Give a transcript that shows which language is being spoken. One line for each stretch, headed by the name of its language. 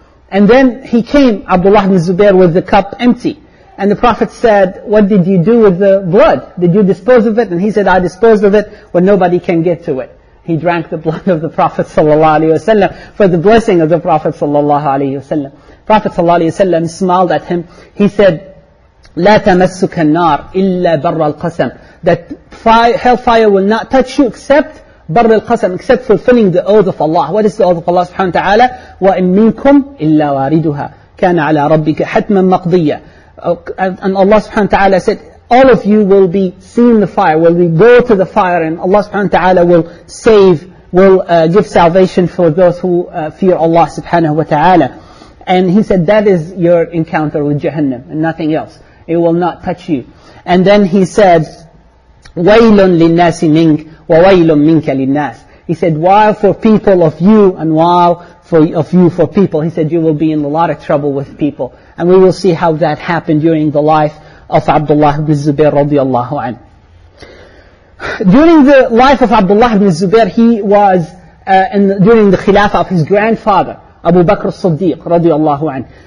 English: And then he came, Abdullah ibn Zubair, with the cup empty. And the Prophet said, what did you do with the blood? Did you dispose of it? And he said, I disposed of it when nobody can get to it. He drank the blood of the Prophet sallallahu alaihi wasallam for the blessing of the Prophet sallallahu alaihi wasallam. Prophet sallallahu alaihi wasallam smiled at him. He said,
Arabic: لا تمسك النار إلا بر القسم.
English: That hellfire will not touch you except
Arabic: بر القسم,
English: except fulfilling the oath of Allah. What is the oath of Allah subhanahu wa ta'ala?
Arabic: وَإِن مِنْكُمْ إِلَّا وَارِدُهَا كَانَ عَلَى رَبِّكَ حَتْمًا مَقْضِيًّا.
English: And Allah subhanahu wa ta'ala said, all of you will be seeing the fire, will be go to the fire, and Allah subhanahu wa ta'ala will save, will give salvation for those who fear Allah subhanahu wa ta'ala. And he said, that is your encounter with Jahannam and nothing else. It will not touch you. And then he said,
Arabic: وَيْلٌ لِلنَّاسِ مِنْكَ وَوَيْلٌ مِنْكَ لِلنَّاسِ.
English: He said, while for people of you and while for of you for people, he said, you will be in a lot of trouble with people. And we will see how that happened during the life of Abdullah ibn Zubair radiallahu anhu. During the life of Abdullah ibn Zubair, he was during the khilafah of his grandfather, Abu Bakr as-Siddiq radiallahu anhu.